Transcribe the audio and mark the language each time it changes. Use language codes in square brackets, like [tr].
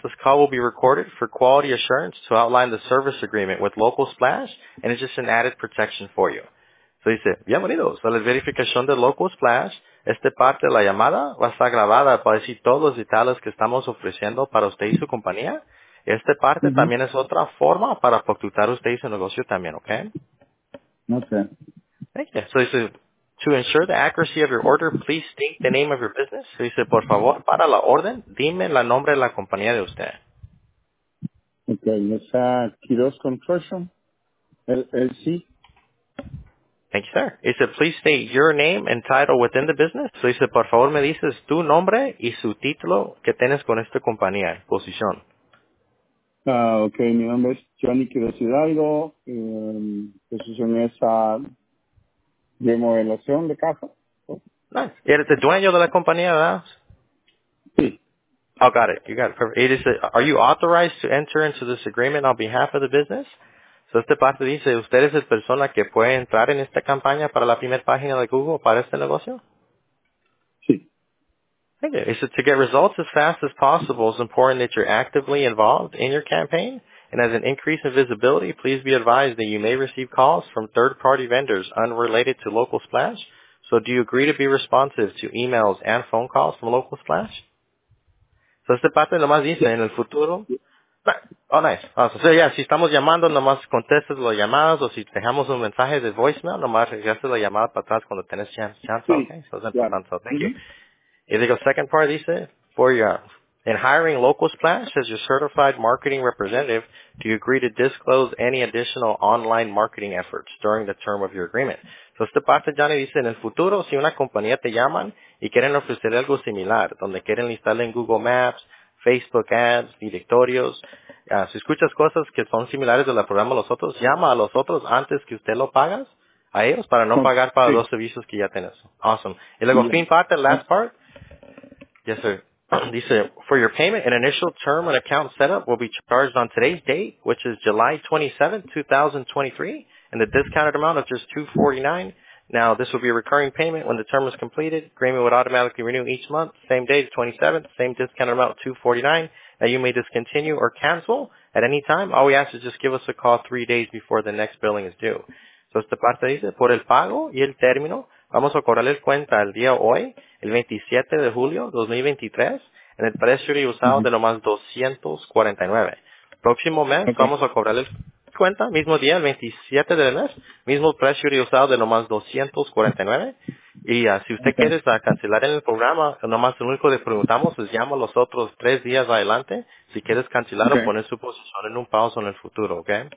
[en] This call will be recorded for quality assurance to outline the service agreement with Local Splash, and it's just an added protection for you. [es] So dice, bienvenidos a la verificación de Local Splash. Esta parte de la llamada va a estar grabada para decir todos los detalles que estamos ofreciendo para usted y su compañía. Esta parte también es otra forma para facturar usted y su negocio también, ¿ok? Ok. [en] Thank you. So dice, to ensure the accuracy of your order, please state the name of your business. [es] So dice, por favor, para la orden, dime el nombre de la compañía de usted. Ok, es Quiroz Construction, LLC. [en] Thank you, sir. He said, please state your name and title within the business. So he said, [es] por favor, me dices tu nombre y su título que tienes con esta compañía, posición. Okay, mi nombre es Johnny Quiroz Hidalgo. Posición es remodelación de casa. [en] Nice. [es] ¿Eres el dueño de la compañía, verdad? Sí. [en] Oh, got it. You got it. Perfect. It is, are you authorized to enter into this agreement on behalf of the business? [es] So esta parte dice, ¿usted es la persona que puede entrar en esta campaña para la primera página de Google para este negocio? Sí. [en] Thank you. He said, to get results as fast as possible, it's important that you're actively involved in your campaign. And as an increase in visibility, please be advised that you may receive calls from third-party vendors unrelated to Local Splash. So do you agree to be responsive to emails and phone calls from Local Splash? [es] So esta parte nomás dice, en el futuro... [en] Oh, nice. Awesome. [es] So, yeah, si estamos llamando, nomás contestas las llamadas, o si dejamos un mensaje de voicemail, nomás regresas la llamada para atrás cuando tienes chance. Sí. [en] Okay, so, yeah. So thank you. [es] Y digo, [en] second part dice, for your, in hiring Local Splash as your certified marketing representative, do you agree to disclose any additional online marketing efforts during the term of your agreement? [es] So, esta parte, Johnny, dice, en el futuro, si una compañía te llaman y quieren ofrecer algo similar, donde quieren listarle en Google Maps, Facebook ads, directorios. Si escuchas cosas que son similares a la programa de los otros, llama a los otros antes que usted lo pagas a ellos para no pagar para los servicios que ya tienes. [en] Awesome. [es] Y luego, [en] fin part, the last part. Yes, sir. Dice, for your payment, an initial term and account setup will be charged on today's date, which is July 27, 2023, and the discounted amount of just $249. Now, this will be a recurring payment when the term is completed. Grammy would automatically renew each month, same day, the 27th, same discounted amount, $249. Now, you may discontinue or cancel at any time. All we ask is just give us a call 3 days before the next billing is due. [es] So, esta parte dice, por el pago y el término, vamos a cobrarle cuenta el día hoy, el 27 de julio 2023, en el precio usado de nomás $249. Próximo mes, vamos a cobrarle cuenta, mismo día, el 27 del mes, mismo precio usado de nomás $249. Y si usted quiere cancelar en el programa, nomás lo único que preguntamos es llama los otros 3 días adelante, si quieres cancelar o poner su posición en un pause en el futuro, ¿ok?